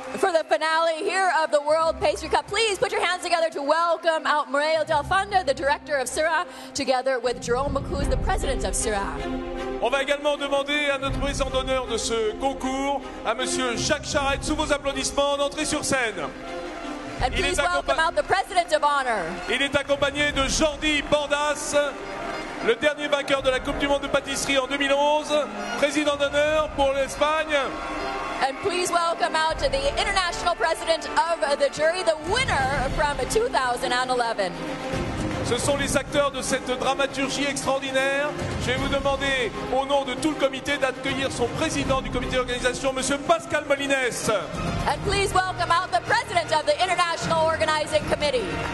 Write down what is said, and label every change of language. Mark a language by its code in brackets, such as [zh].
[en] For the finale here of the World Pastry Cup, please put your hands together to welcome out Marie-Odile Fondeur, the director of CIRA, together with Jérôme Bocuse, the president of CIRA. [fr] On va également demander à notre président d'honneur de ce concours, à monsieur Jacques Charette, sous vos applaudissements, d'entrer sur scène. [en] And please welcome out the president of honor. [fr] Il est accompagné de Jordi Bordas, le dernier vainqueur de la Coupe du Monde de pâtisserie en 2011, président d'honneur pour l'Espagne. [en] And please welcome out the international president of the jury, the winner from 2011. [fr] Ce sont les acteurs de cette dramaturgie extraordinaire. Je vais vous demander, au nom de tout le comité, d'accueillir son président du comité d'organisation, monsieur Pascal Molines. [en] And please welcome out the president of the international organizing committee.